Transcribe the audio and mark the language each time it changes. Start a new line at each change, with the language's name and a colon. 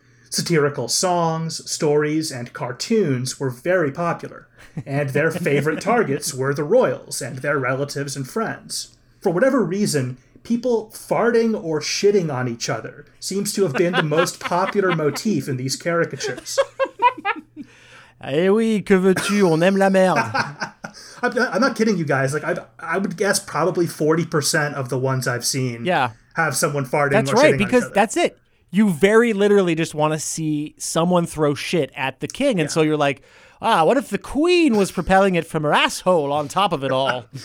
English: Satirical songs, stories, and cartoons were very popular, and their favorite targets were the royals and their relatives and friends. For whatever reason, people farting or shitting on each other seems to have been the most popular motif in these caricatures.
French: Eh oui, que veux-tu, on aime la merde.
English: I'm not kidding you guys. Like I would guess probably 40% of the ones I've seen have someone farting. That's or right, because that's it. You very literally just want to see someone throw shit at the king. And so you're like, what if the queen was propelling it from her asshole on top of it all?